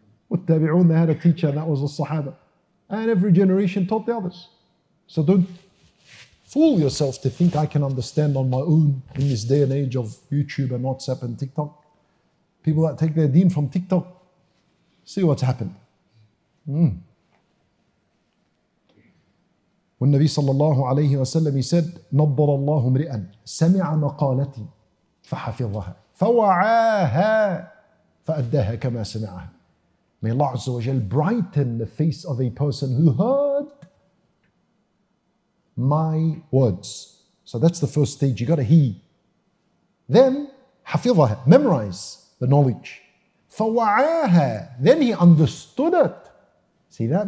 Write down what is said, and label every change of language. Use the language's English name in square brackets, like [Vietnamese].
[English] With Tabi'un, they had a teacher, and that was the Sahaba. And every generation taught the others. So don't fool yourself to think I can understand on my own in this day and age of YouTube and WhatsApp and TikTok. People that take their deen from TikTok, see what's happened. When Nabi sallallahu alayhi wa sallam, he said, [Arabic] نَبَّرَ اللَّهُ مْرِئًا سَمِعَ مَقَالَتِي فَحَفِظَهَا فَوَعَاهَا فَأَدَّهَا كَمَا سَمِعَهَا. [English] May Allah Azza wa Jal brighten the face of a person who heard my words. So that's the first stage. You got to hear. Then, حَفِظَهَا, memorize the knowledge. فَوَعَاهَا, then he understood it. See that?